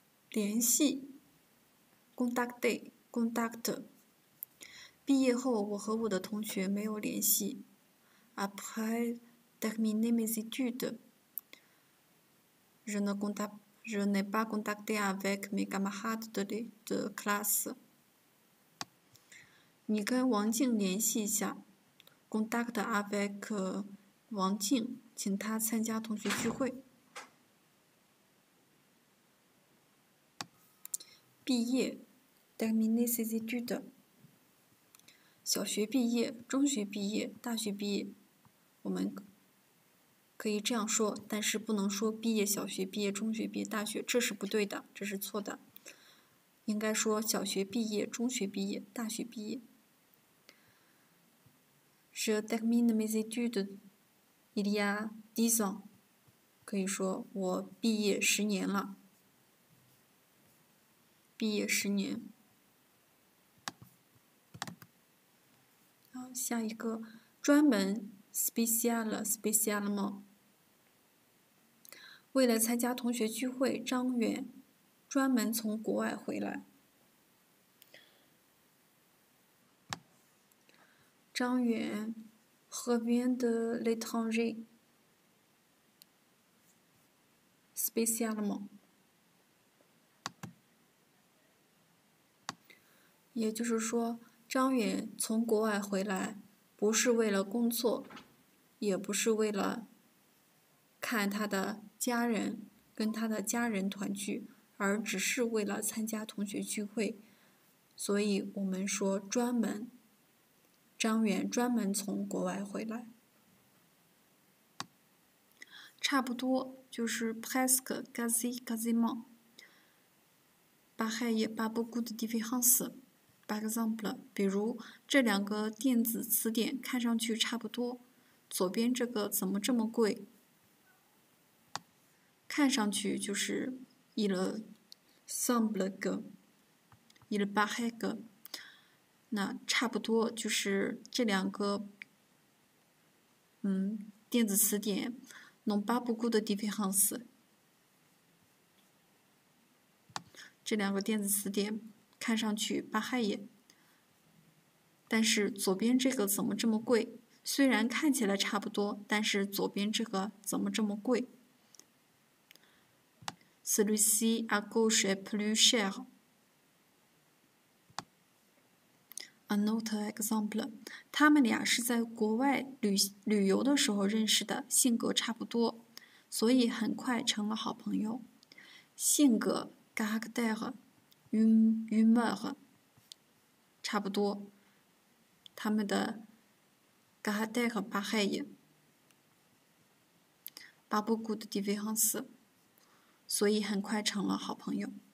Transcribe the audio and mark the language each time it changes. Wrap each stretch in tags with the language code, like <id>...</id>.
<zh>联系 contact. 毕业后，我和我的同学没有联系。</zh> <fr>après terminer mes études. Je n'ai pas contacté avec mes camarades de classe.</fr> <zh>你跟王静联系一下。</zh> <fr>Contact avec</fr> <zh>王静，请她参加同学聚会。</zh> <fr>毕业 ，terminer ses études。</fr> <zh>小学毕业，中学毕业，大学毕业。我们可以这样说，但是不能说毕业小学、毕业中学、毕业大学，这是不对的，这是错的。应该说小学毕业、中学毕业、大学毕业。</zh> <fr>Je termine mes études il y a 10 ans.</fr> <zh>可以说我毕业十年了。毕业十年。好，下一个专门 spécialement 为了参加同学聚会，张远专门从国外回来。</zh> <fr>张远 revient de l'étranger spécialement.</fr> <zh>也就是说，张远从国外回来，不是为了工作，也不是为了看他的家人，跟他的家人团聚，而只是为了参加同学聚会。所以我们说专门。张远专门从国外回来，差不多就是</zh> <fr>presque quasi quasiment. Pareil, pas beaucoup de différence. Par exemple,</fr> <zh>比如这两个电子词典看上去差不多，左边这个怎么这么贵？看上去就是</zh> <fr>il semble que, il paraît que.</fr> <zh>那差不多就是这两个电子词典</zh> <fr>non pas beaucoup de différence</fr> <zh>这两个电子词典看上去巴害也但是左边这个怎么这么贵虽然看起来差不多但是左边这个怎么这么贵</zh> <fr>celui-ci à gauche est plus cher.</fr> <en>Another example,</en> <zh>他们俩是在国外 旅游的时候认识的，性格差不多，所以很快成了好朋友。</zh> <fr>性格 caractère, humeur,</fr> <zh>差不多，他们的</zh> <fr>caractère pareil, pas beaucoup de différence,</fr> <zh>所以很快成了好朋友。</zh>